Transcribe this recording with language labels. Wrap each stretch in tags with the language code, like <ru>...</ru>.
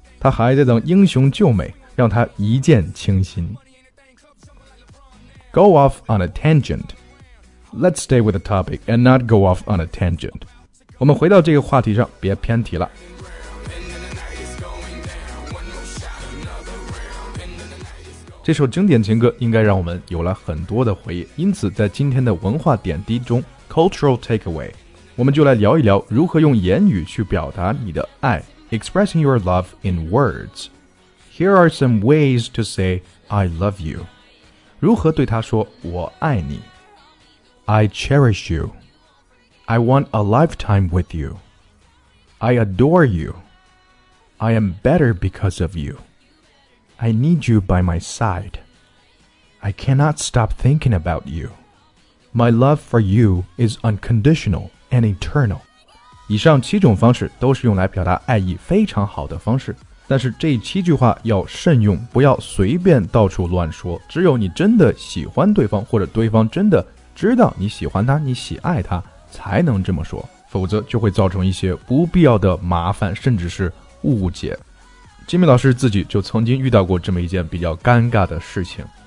<zh>她还在等英雄救美，让她一见倾心。</zh> <en>Go off on a tangent. Let's stay with the topic and not go off on a tangent.</en> <zh>我们回到这个话题上，别偏题了。这首经典情歌应该让我们有了很多的回忆，因此在今天的文化点滴中 ，</zh> <en>cultural takeaway，</en> <zh>我们就来聊一聊如何用言语去表达你的爱 ，</zh> <en>expressing your love in words. Here are some ways to say I love you.</en> <zh>如何对他说我爱你</zh> <en>I cherish you. I want a lifetime with you. I adore you. I am better because of you. I need you by my side. I cannot stop thinking about you. My love for you is unconditional and eternal.</en> <zh>以上七种方式都是用来表达爱意非常好的方式。但是这七句话要慎用，不要随便到处乱说。只有你真的喜欢对方，或者对方真的知道你喜欢他，你喜爱他，才能这么说。否则就会造成一些不必要的麻烦，甚至是误解。Jimmy 老师自己就曾经遇到过这么一件比较尴尬的事情。</zh>